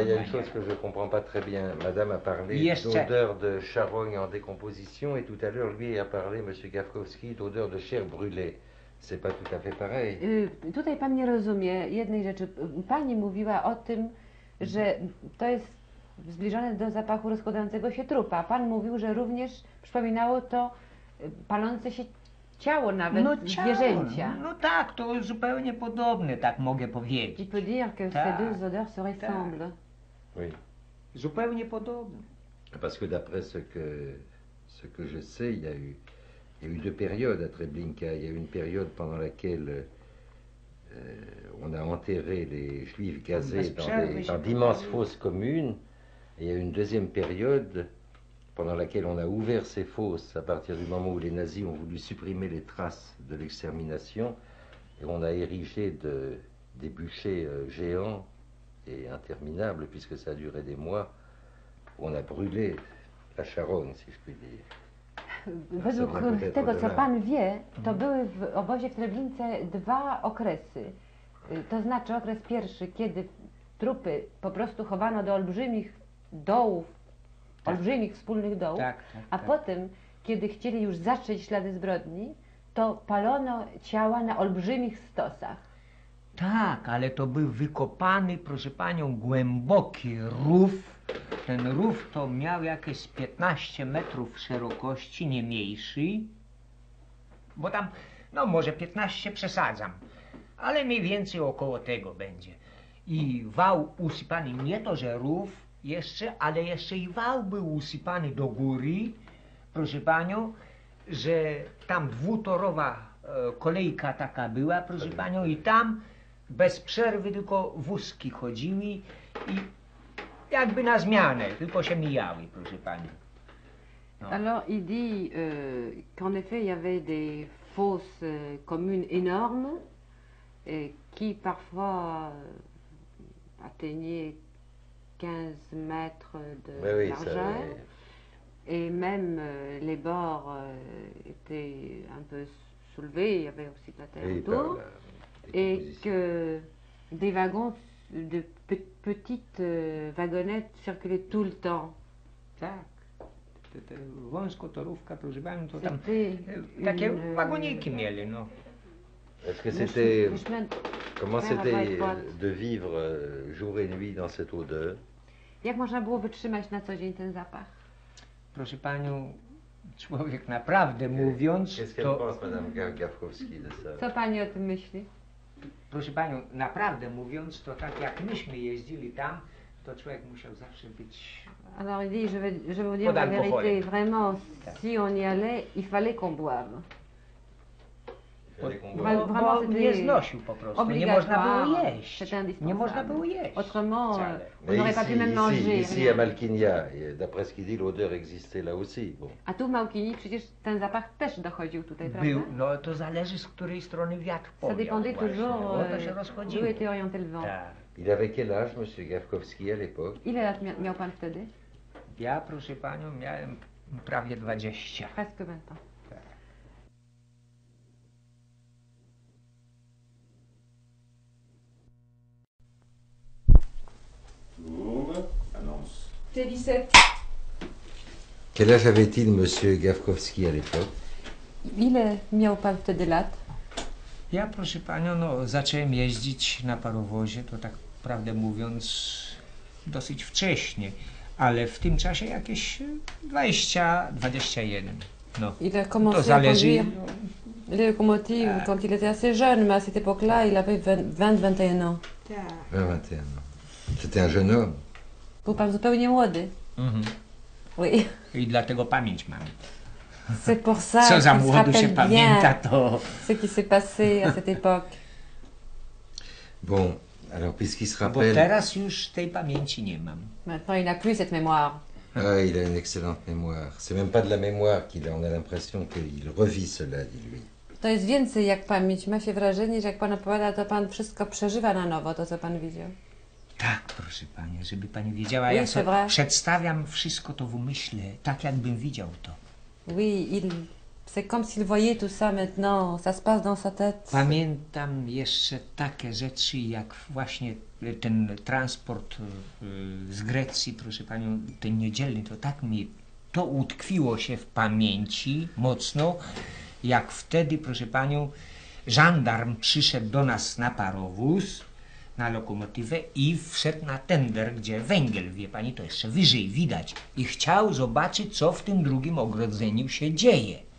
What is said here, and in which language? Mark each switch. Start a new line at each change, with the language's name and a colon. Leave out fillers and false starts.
French: Il y a une chose que je comprends pas très bien. Madame a parlé d'odeur de charogne en décomposition et tout à l'heure lui a parlé, monsieur Gawkowski, d'odeur de chair brûlée. C'est pas tout à fait pareil.
Polish: Tutaj pan nie rozumie jednej rzeczy. Pani mówiła o tym, że to jest zbliżone do zapachu rozkładającego się trupa. Pan mówił, że również przypominało to palące się ciało, nawet no, ciało, zwierzęcia. No tak, to zupełnie podobne, tak mogę powiedzieć.
French: Il peut dire que ces deux odeurs se ressemblent. Oui.
Polish: Zupełnie podobne.
French: Parce que d'après ce que je sais, il y a eu deux périodes à Treblinka. Il y a eu une période pendant laquelle on a enterré les juifs gazés dans d'immenses fosses communes. Et il y a une deuxième période pendant laquelle on a ouvert ces fosses à partir du moment où les nazis ont voulu supprimer les traces de l'extermination. Et on a érigé des bûchers géants et interminables, puisque ça a duré des mois, où on a brûlé la charogne, si je puis dire.
Polish: Według tego, co pan wie, to były w obozie w Treblince dwa okresy. To znaczy okres pierwszy, kiedy trupy po prostu chowano do olbrzymich dołów, tak. Olbrzymich wspólnych dołów, tak, tak, a tak. Potem, kiedy chcieli już zatrzeć ślady zbrodni, to palono ciała na olbrzymich stosach. Tak, ale to był wykopany, proszę panią, głęboki rów. Ten rów to miał jakieś 15 metrów szerokości, nie mniejszy. Bo tam, no może 15 przesadzam, ale mniej więcej około tego będzie. I wał usypany, nie to, że rów jeszcze, ale jeszcze i wał był usypany do góry, proszę panią, że tam dwutorowa kolejka taka była, proszę panią, i tam bez przerwy tylko wózki chodziły i jakby na zmianę, tylko się mijały, proszę pani.
French: Alors, il dit qu'en effet, il y avait des fosses communes énormes et qui parfois atteignaient 15 mètres de largeur. Ça... Et même les bords étaient un peu soulevés, il y avait aussi de la terre autour. Et que des wagons, de petites wagonnettes circulaient tout le temps. Ça.
Polish: Te wąskotorówka, proszę pani, to tam takie wagoniki mieli, no.
French: Est-ce que c'était, comment c'était de vivre jour et nuit dans cette odeur?
Polish: Jak można było wytrzymać na co dzień ten zapach? Proszę panią, człowiek naprawdę mówiąc,
French: to... Pense, de ça?
Polish: Co pani o tym myśli? Proszę panią, naprawdę mówiąc, to tak jak myśmy jeździli tam, to człowiek musiał zawsze być...
French: Alors il dit, je vais vous dire la vérité, vraiment, si on y allait, il fallait qu'on boive. Vraiment, c'était obligatoire, c'était indispensable. Autrement, on n'aurait pas pu même manger. Ici, à Malkinia, d'après ce qu'il dit, l'odeur existait là aussi.
Polish: A tu, Malkini, przecież ten zapach też dochodził tutaj, prawda? Był, no to zależy, z której strony wiatr powiał.
French: Ça dépendait toujours, d'où était orienté le vent. Il avait quel âge, monsieur Gawkowski, à l'époque?
Polish: Ile lat miał pan wtedy? Ja, proszę panią, miałem prawie 20.
French: Presque 20 ans. Annonce. T'es 17. Quel âge avait-il, monsieur Gawkowski, à l'époque?
Polish: Ile miał pan wtedy lat? Ja, proszę panią, no, zacząłem jeździć na parowozie, to tak prawdę mówiąc, dosyć wcześnie, ale w tym czasie jakieś 20-21. No,
French: il a commencé
Polish: to zależy.
French: Locomotive, quand il était assez jeune, mais à cette époque-là, il avait 20-21 ans. 20-21 ans. C'était un jeune homme.
Polish: Był pan zupełnie młody. Mm-hmm.
French: Oui.
Polish: I dlatego pamięć mam.
French: C'est pour ça
Polish: co za młodu się pamięta to.
French: Ce qui s'est passé à cette époque. Bon. Alors, puisqu'il se rappelle...
Polish: Bo teraz już tej pamięci nie mam.
French: Maintenant, il n'a plus cette mémoire. Ah, il a une excellente mémoire. C'est même pas de la mémoire qu'il a. On a l'impression qu'il revit cela, dit lui.
Polish: To jest więcej jak pamięć. Ma się wrażenie, że jak pan opowiada, to pan wszystko przeżywa na nowo, to co pan widział. Tak, proszę panie, żeby pani wiedziała, ja sobie przedstawiam wszystko to w umyśle, tak jakbym widział to.
French: Oui, il... C'est comme s'il voyait tout ça maintenant, ça se passe dans sa tête.
Polish: Pamiętam jeszcze takie rzeczy, jak właśnie ten transport z Grecji, proszę panią, ten niedzielny, to tak mi to utkwiło się w pamięci mocno, jak wtedy, proszę panią, żandarm przyszedł do nas na parowóz, na lokomotywę i wszedł na tender, gdzie węgiel, wie pani, to jeszcze wyżej widać, i chciał zobaczyć, co w tym drugim ogrodzeniu się dzieje.